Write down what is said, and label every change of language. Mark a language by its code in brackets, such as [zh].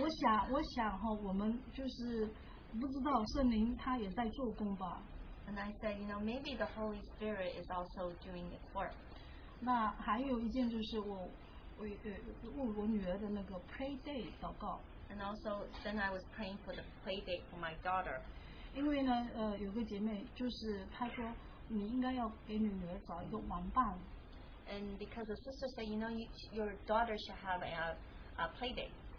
[zh] 我想哈，我们就是不知道圣灵他也在做工吧。 [en] And I said, you know, maybe the Holy Spirit is also doing its work. [zh] 那还有一件就是我问我女儿的那个 play day 祷告。 [en] And also, then I was praying for the play day for my daughter. [zh] 因为呢，有个姐妹就是她说，你应该要给你女儿找一个玩伴。 [en] And because the sister said, you know, your daughter should have a play day.